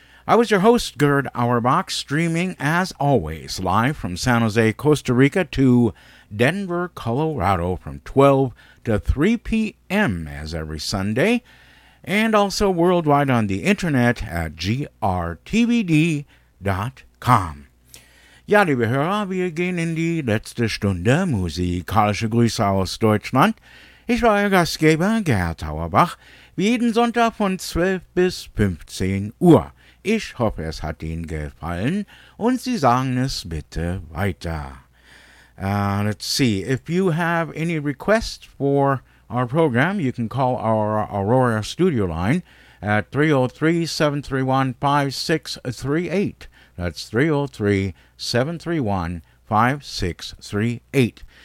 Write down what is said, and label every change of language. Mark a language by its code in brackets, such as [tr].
[en] I was your host, Gerd Auerbach, streaming as always live from San Jose, Costa Rica to Denver, Colorado from 12 to 3 p.m. as every Sunday, and also worldwide on the internet at grtvd.com. [de] Ja, liebe Hörer, wir gehen in die letzte Stunde. Musikalische Grüße aus Deutschland. Ich war euer Gastgeber, Gerd Auerbach, wie jeden Sonntag von 12 bis 15 Uhr. Ich hoffe, es hat Ihnen gefallen und Sie sagen es bitte weiter. [en] Let's see. If you have any requests for our program, you can call our Aurora studio line at 303-731-5638. That's 303-731-5638.